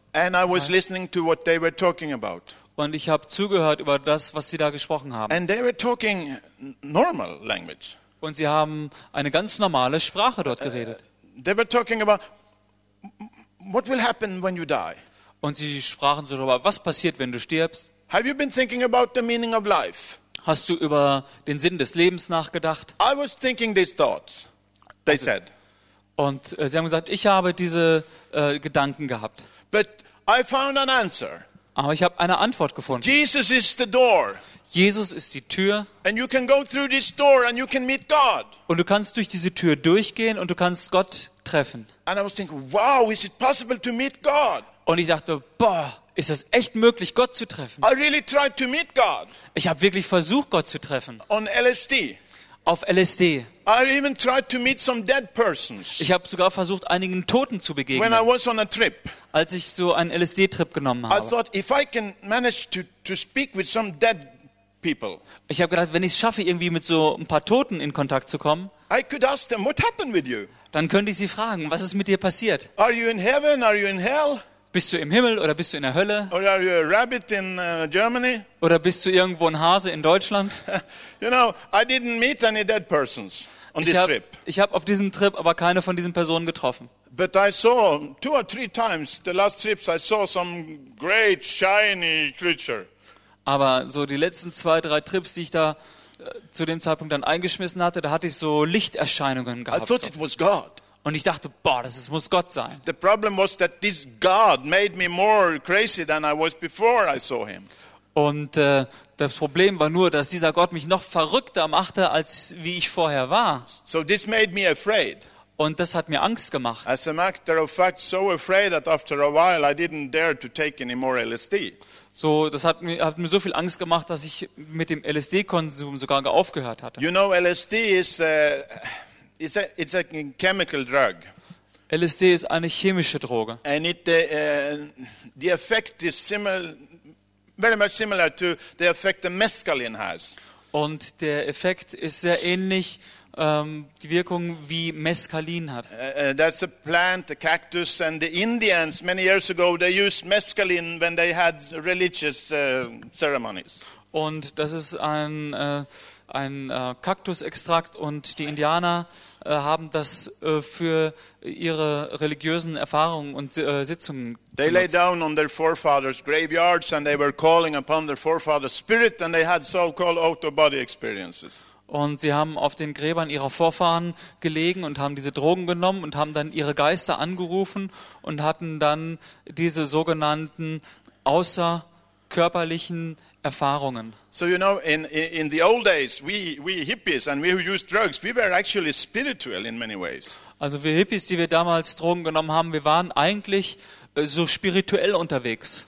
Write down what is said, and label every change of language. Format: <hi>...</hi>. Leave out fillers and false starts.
<en>And I was listening to what they were talking about.</en> <de>Und ich habe zugehört über das, was sie da gesprochen haben.</de> <en>And they were talking normal language.</en> <de>Und sie haben eine ganz normale Sprache dort geredet.</de> <en>They were talking about what will happen when you die.</en> <de>Und sie sprachen so darüber, was passiert, wenn du stirbst?</de> <en>Have you been thinking about the meaning of life?</en> <de>Hast du über den Sinn des Lebens nachgedacht?</de> <en>I was thinking these thoughts. They said.</en> <de>Und sie haben gesagt, ich habe diese Gedanken gehabt.</de> <en>But I found an answer.</en> <de>Aber ich habe eine Antwort gefunden.</de> <en>Jesus is the door.</en> <de>Jesus ist die Tür.</de> <en>And you can go through this door and you can meet God.</en> <de>Und du kannst durch diese Tür durchgehen und du kannst Gott treffen.</de> <en>And I was thinking, wow, is it possible to meet God?</en> <de>Und ich dachte, boah, ist das echt möglich, Gott zu treffen?</de> <en>I really tried to meet God.</en> <de>Ich habe wirklich versucht, Gott zu treffen.</de> <en>On LSD.</en> <de>auf LSD.</de> <en>I even tried to meet some dead persons.</en> <de>Ich habe sogar versucht, einigen Toten zu begegnen.</de> <en>When I was on a trip.</en> <de>Als ich so einen LSD-Trip genommen habe.</de> <en>I thought, if I can manage to speak with some dead people.</en> <de>Ich habe gedacht, wenn ich es schaffe, irgendwie mit so ein paar Toten in Kontakt zu kommen.</de> <en>I could ask them, what happened with you?</en> <de>Dann könnte ich sie fragen, was ist mit dir passiert?</de> <en>Are you in heaven? Are you in hell?</en> <de>Bist du im Himmel oder bist du in der Hölle?</de> <en>Or are you a rabbit in Germany?</en> <de>Oder bist du irgendwo ein Hase in Deutschland?</de> <en>You know, I didn't meet any dead persons on this trip.</en> <de>Ich habe auf diesem Trip aber keine von diesen Personen getroffen.</de> <en>But I saw two or three times the last trips I saw some great shiny creature.</en> <de>Aber so die letzten zwei, drei Trips, die ich da zu dem Zeitpunkt dann eingeschmissen hatte, da hatte ich so Lichterscheinungen gehabt.</de> <en>I thought it was God.</en> <de>Und ich dachte, boah, das muss Gott sein.</de> <en>The problem was that this God made me more crazy than I was before I saw him.</en> <de>Und das Problem war nur, dass dieser Gott mich noch verrückter machte, als wie ich vorher war.</de> <en>So this made me afraid.</en> <de>Und das hat mir Angst gemacht.</de> <en>As a matter of fact, so afraid that after a while I didn't dare to take any more LSD.</en> <de>So, das hat mir so viel Angst gemacht, dass ich mit dem LSD-Konsum sogar aufgehört hatte.</de> <en>You know, LSD is it's a chemical drug.</en> <de>LSD ist eine chemische Droge.</de> <en>And it the effect is very much similar to the effect that mescaline has.</en> <de>Und der Effekt ist sehr ähnlich die Wirkung wie Mescalin hat.</de> <en>That's a plant, a cactus, and the Indians many years ago they used mescaline when they had religious ceremonies.</en> <de>Und das ist ein Kaktusextrakt und die Indianer haben das für ihre religiösen Erfahrungen und Sitzungen benutzt.</de> <en>They lay down on their forefathers' graveyards and they were calling upon their forefathers' spirit and they had so-called out-of-body experiences.</en> <de>Und sie haben auf den Gräbern ihrer Vorfahren gelegen und haben diese Drogen genommen und haben dann ihre Geister angerufen und hatten dann diese sogenannten außerkörperlichen Erfahrungen.</de> <en>So you know, in the old days, we hippies and we who used drugs, we were actually spiritual in many ways.</en> <de>Also wir Hippies, die wir damals Drogen genommen haben, wir waren eigentlich so spirituell unterwegs.</de>